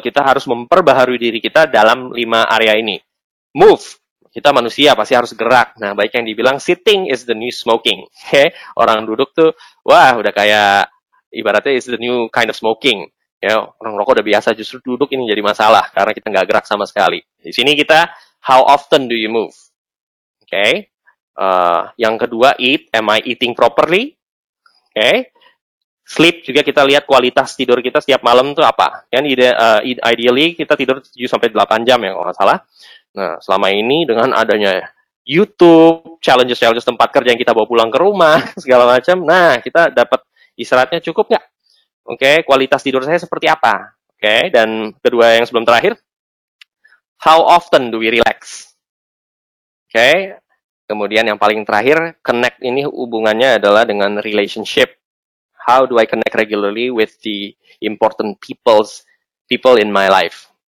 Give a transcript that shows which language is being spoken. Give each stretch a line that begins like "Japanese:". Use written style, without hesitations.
Indonesian: Kita harus memperbaharui diri kita dalam lima area ini. Move. Kita manusia pasti harus gerak. Nah, baik yang dibilang
English: sitting is the new smoking.
Indonesian: Oke, okay? Orang duduk tuh wah udah kayak ibaratnya
English: is the new kind of smoking.
Indonesian: Ya, orang rokok udah biasa, justru duduk ini jadi masalah karena kita enggak gerak sama sekali. Di sini kita
English: how often do you move?
Indonesian: Oke. Okay? Yang kedua eat,
English: am I eating properly?
Indonesian: Oke. Okay? Sleep juga kita lihat kualitas tidur kita setiap malam tuh apa? Kan ideally kita tidur 7 sampai 8 jam ya kalau enggak salah. Nah, selama ini dengan adanya YouTube, challenges-challenges tempat kerja yang kita bawa pulang ke rumah, segala macam, nah, kita dapat istirahatnya cukup nggak? Oke, okay, kualitas tidur saya seperti apa? Oke, okay, dan kedua yang sebelum terakhir,
English: how often do we relax?
Indonesian: Oke, okay, kemudian yang paling terakhir, connect ini hubungannya adalah dengan relationship.
English: How do I connect regularly with the important people in my life?